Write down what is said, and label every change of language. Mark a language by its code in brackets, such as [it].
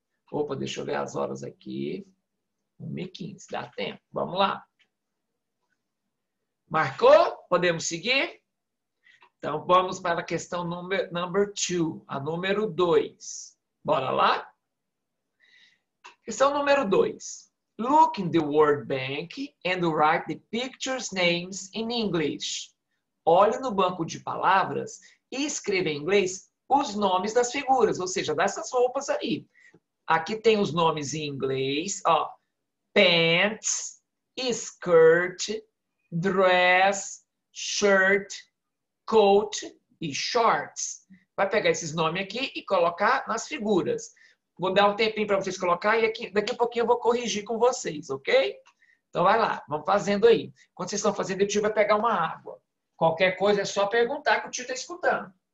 [pt] Opa, deixa eu ver as horas aqui. 1h15, dá tempo. Vamos lá. Marcou? Podemos seguir? Então vamos para a questão number 2, a número 2. Bora lá? Questão número 2. [en] Look in the word bank and write the pictures' names in English. [pt] Olhe no banco de palavras e escreva em inglês os nomes das figuras, ou seja, dessas roupas aí. Aqui tem os nomes em inglês, ó. [en] Pants, skirt, dress, shirt, coat e shorts. [pt] Vai pegar esses nomes aqui e colocar nas figuras. Vou dar um tempinho para vocês colocar e aqui, daqui a pouquinho eu vou corrigir com vocês, ok? Então vai lá, vamos fazendo aí. Quando vocês estão fazendo, o tio vai pegar uma água. Qualquer coisa é só perguntar que o tio está escutando.